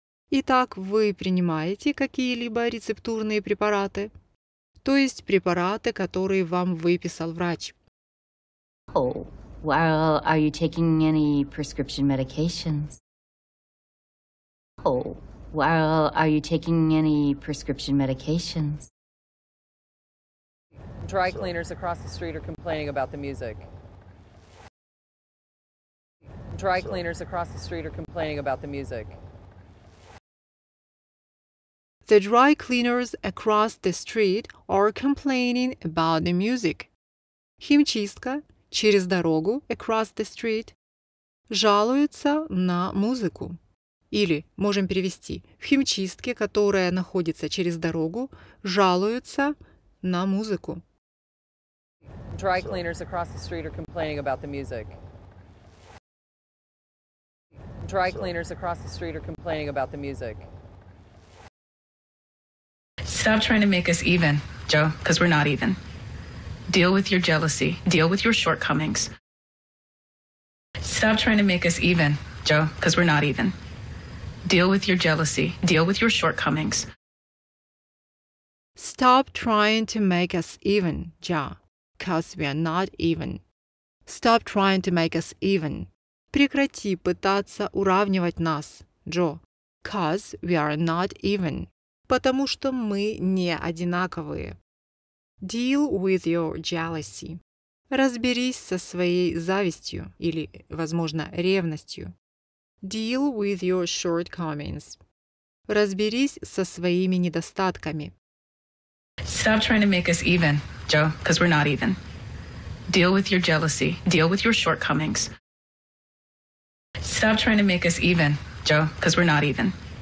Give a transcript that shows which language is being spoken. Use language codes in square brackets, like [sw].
[ru] Итак, вы принимаете какие-либо рецептурные препараты? То есть препараты, которые вам выписал врач? [en] Oh, well, are you taking any prescription medications? Oh, well, are you taking any prescription medications? Dry cleaners across the street are complaining about the music. Dry cleaners across the street are complaining about the music. The dry cleaners across the street are complaining about the music. [ru] Химчистка через дорогу, [en] across the street, [ru] жалуется на музыку. Или можем перевести: в химчистке, которая находится через дорогу, жалуются на музыку. [en] Dry cleaners across the street are complaining about the music. Dry cleaners across the street are complaining about the music. Stop trying to make us even, Joe, because we're not even. Deal with your jealousy. Deal with your shortcomings. Stop trying to make us even, Joe, because we're not even. Deal with your jealousy. Deal with your shortcomings. Stop trying to make us even, Joe. Because we are not even. Stop trying to make us even. [ru] Прекрати пытаться уравнивать нас, Джо. [en] Because we are not even. [ru] Потому что мы не одинаковые. [en] Deal with your jealousy. [ru] Разберись со своей завистью или, возможно, ревностью. [en] Deal with your shortcomings. [ru] Разберись со своими недостатками. [en] Stop trying to make us even, Joe, because we're not even. Deal with your jealousy. Deal with your shortcomings. Stop trying to make us even, Joe, because we're not even.